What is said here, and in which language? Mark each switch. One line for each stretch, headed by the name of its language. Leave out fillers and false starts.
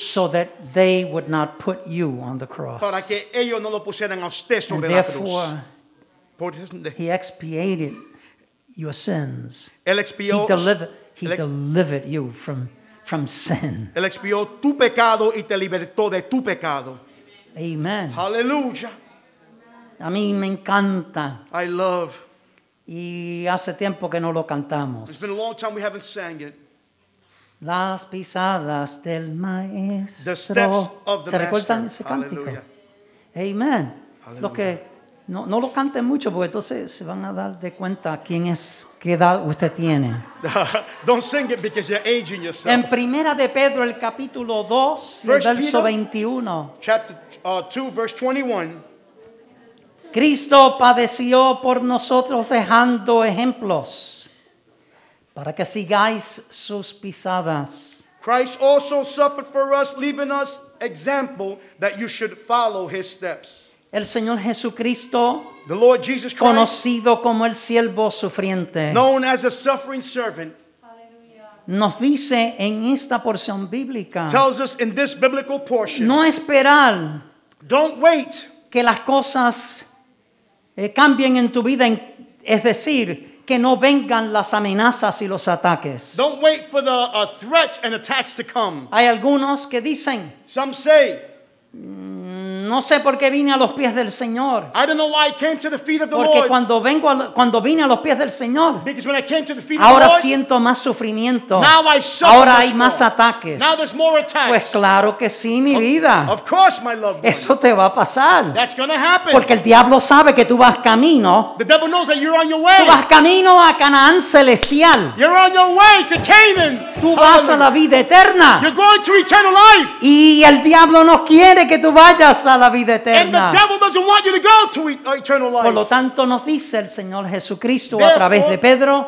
English: so that they would not put you on the cross.
Spanish: Para que ellos no lo pusieran a usted sobre
English: and therefore,
Spanish: la cruz.
English: He expiated your sins.
Spanish: Él expió,
English: he delivered you from sin.
Spanish: Él expió tu pecado y te libertó de tu pecado. Amen. Hallelujah. A mí me encanta.
English: I love.
Spanish: Y hace tiempo que no lo cantamos.
English: It's been a long time we haven't sang it.
Spanish: Las pisadas del maestro.
English: The steps of the master.
Spanish: ¿Se recuerdan ese cántico? Hallelujah. Amen. Hallelujah. Lo que no lo canten mucho porque entonces se van a dar de cuenta quién es qué edad usted tiene.
English: Don't sing it because you're aging yourself.
Spanish: En Primera de Pedro el capítulo 2 y el verso 21.
English: Chapter 2 verse 21.
Spanish: Cristo padeció por nosotros dejando ejemplos para que sigáis sus pisadas.
English: Christ also suffered for us, leaving us example that you should follow his steps.
Spanish: El Señor Jesucristo,
English: the Lord Jesus Christ,
Spanish: conocido como el siervo sufriente,
English: known as a suffering servant,
Spanish: nos dice en esta porción bíblica,
English: tells us in this biblical portion,
Spanish: no esperar,
English: don't wait,
Spanish: que las cosas cambien en tu vida, es decir, que no vengan las amenazas y los ataques.
English: Don't wait for the threats and attacks to come.
Spanish: Hay algunos que dicen,
English: some say,
Spanish: no sé por qué vine a los pies del Señor.
English: I don't know why I came to the feet of the
Spanish: porque
English: Lord.
Spanish: Porque cuando vine a los pies del Señor,
English: because when I came to the feet
Spanish: ahora
English: of the
Spanish: siento
English: Lord,
Spanish: más sufrimiento.
English: Now I suffer.
Spanish: Ahora hay
English: more.
Spanish: Más ataques.
English: Now there's more attacks.
Spanish: Pues claro que sí, mi vida.
English: Of course, my loved one.
Spanish: Eso te va a pasar.
English: That's going to happen.
Spanish: Porque el diablo sabe que tú vas camino.
English: The devil knows that you're on your way.
Spanish: Tú vas camino a Canaán celestial.
English: You're on your way to Canaan.
Spanish: Tú vas a la vida eterna.
English: You're going to eternal life.
Spanish: Y el diablo no quiere que tú vayas a la vida eterna.
English: And the devil doesn't want you to go to eternal life.
Spanish: Por lo tanto, nos dice el Señor Jesucristo a través de Pedro,